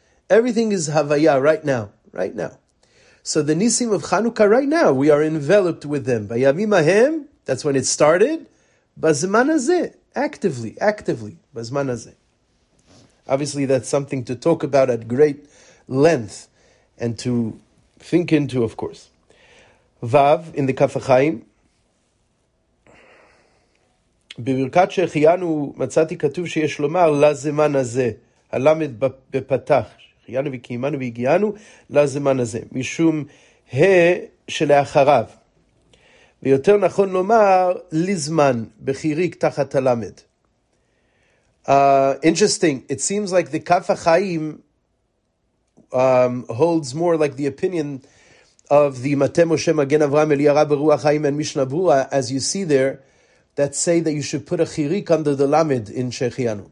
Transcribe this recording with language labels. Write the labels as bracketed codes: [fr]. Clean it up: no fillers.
[en] Everything is Havaya right now, right now. So the Nisim of Chanukah right now, we are enveloped with them. [he] Bayamim Ahem, [en] that's when it started. Bazman Hazeh, actively, Bazman Hazeh. Obviously, that's something to talk about at great length and to think into, of course. Vav, in the Kaf HaChaim, [he] בברכת שהחיינו מצאתי כתוב שיש לומר לזמן הזה, הלמד בפתח, שהחיינו וקיימנו והגיענו לזמן הזה, משום שלאחריו. ויותר נכון לומר לזמן, בחיריק תחת הלמד. [en] Interesting. It seems like the Kaf HaChaim holds more like the opinion of the Matei Moshe Magen Avraham Eliyahu Beruach Chaim and Mishnah Berurah, as you see there, that say that you should put a chirik under the lamed in Shehechiyanu.